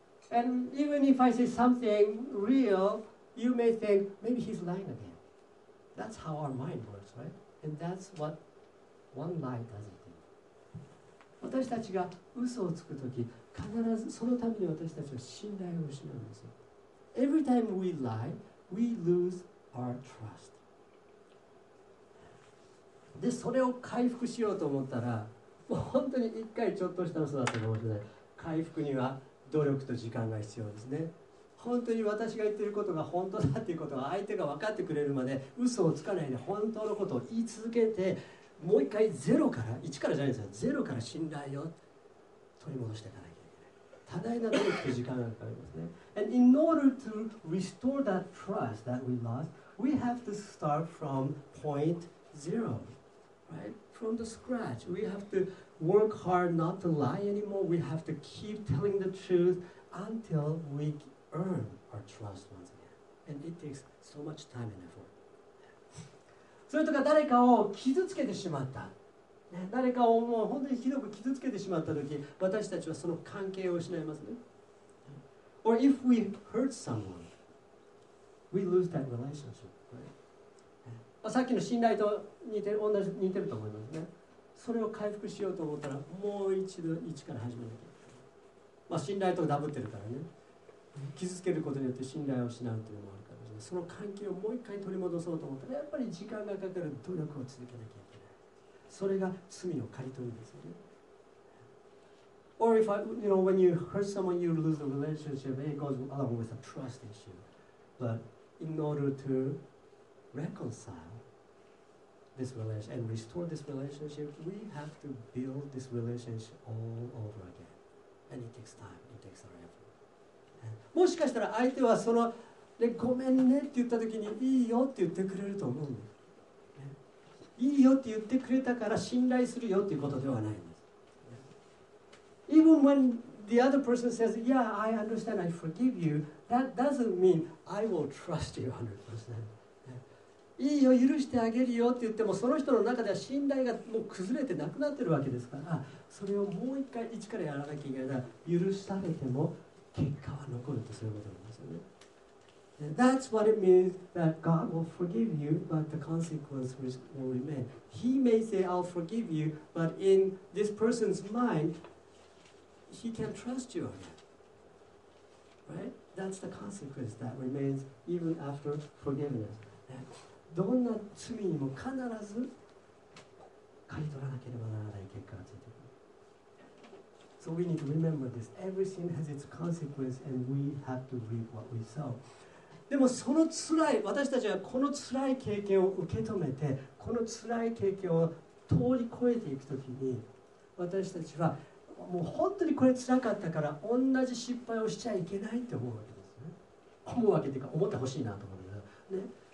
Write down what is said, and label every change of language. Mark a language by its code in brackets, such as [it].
[en] And even if I say something real, you may think, maybe he's lying again. That's how our mind works, right? And that's what one lie does it. [ja] 私たちが嘘をつくとき、必ずそのために私たちは信頼を失うんですよ。 [en] Every time we lie, we lose our trust. [ja] で、それを回復しようと思ったら、もう本当に一回ちょっとした嘘だったかもしれない。回復には努力と時間が必要ですね。本当に私が言っていることが本当だということを相手が分かってくれるまで、嘘をつかないで本当のことを言い続けて、もう一回ゼロから、一からじゃないですよ、ゼロから信頼を取り戻していかない。多大な努力と時間がかかりますね。 [en] And in order to restore that trust that we lost, we have to start from point zero, right? From the scratch. We have to work hard not to lie anymore. We have to keep telling the truth until we earn our trust once again. And it takes so much time and effort. [ja] それとか誰かを傷つけてしまった。誰かをもう本当にひどく傷つけてしまったとき、私たちはその関係を失いますね。 [en] Or if we hurt someone, we lose that relationship, right? [ja] さっきの信頼と似てると思いますね。それを回復しようと思ったら、もう一度一から始めなきゃ。まあ、信頼とダブってるからね。傷つけることによって信頼を失うというのもあるからですね。その関係をもう一回取り戻そうと思ったら、やっぱり時間がかかる努力を続けなきゃ。それが罪を刈り取るんですよね。 [en] Or if I, you know, when you hurt someone, you lose the relationship, it goes along with a trust issue. But in order to reconcile this relationship and restore this relationship, we have to build this relationship all over again. And it takes time, it takes our effort. [ja] もしかしたら相手はその、ね、ごめんねって言った時にいいよって言ってくれると思うんです。いいよって言ってくれたから信頼するよっていうことではないんです。 [en] Even when the other person says, Yeah, I understand, I forgive you, that doesn't mean I will trust you 100%. [ja] いいよ、許してあげるよって言っても、その人の中では信頼がもう崩れてなくなってるわけですから、それをもう一回一からやらなきゃいけないなら、許されても結果は残るとそういうことなんですよね。 [en] That's what it means that God will forgive you, but the consequence will remain. He may say, I'll forgive you, but in this person's mind, he can't trust you on that. Right? That's the consequence that remains even after forgiveness. [ja] どんな罪にも必ず刈り取らなければならない結果がついてくる。 [en] So we need to remember this. Everything has its consequence, and we have to reap what we sow. [ja] でもその辛い、私たちはこの辛い経験を受け止めて、この辛い経験を通り越えていくときに、私たちはもう本当にこれ辛かったから同じ失敗をしちゃいけないって思うわけですね。思うわけというか思ってほしいなと思うんですよね。